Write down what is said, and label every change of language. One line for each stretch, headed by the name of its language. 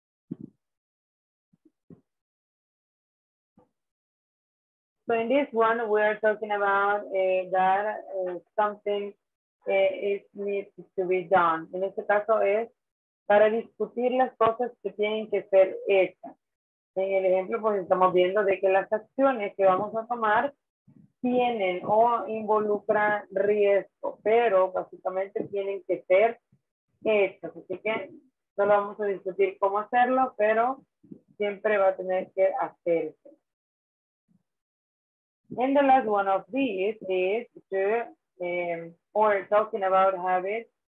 English: So in this one, we're talking about that something needs to be done.
Spanish: En este caso es para discutir las cosas que tienen que ser hechas. En el ejemplo, pues estamos viendo de que las acciones que vamos a tomar tienen o involucran riesgo, pero básicamente tienen que ser hechas. Así que solo vamos a discutir cómo hacerlo, pero siempre va a tener que hacerse.
English: And the last one of these is to, or talking about habits.